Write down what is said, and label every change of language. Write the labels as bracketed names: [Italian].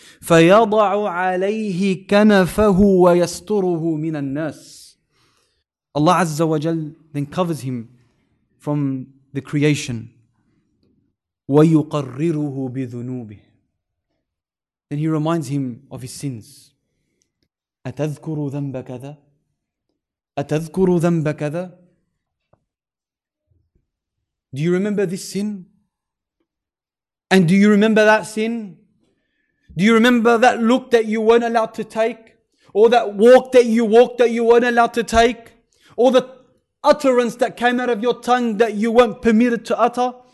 [Arabic] فيضع عليه كنفه ويستره من الناس. [English] Allah عز وجل then covers him from the creation. [Arabic] ويقرره بذنوبه. [English] Then he reminds him of his sins. [Arabic] أتذكر ذنب كذا؟ أتذكر ذنب كذا؟ [English] Do you remember this sin? And do you remember that sin? Do you remember that look that you weren't allowed to take? Or that walk that you walked that you weren't allowed to take? Or the utterance that came out of your tongue that you weren't permitted to utter?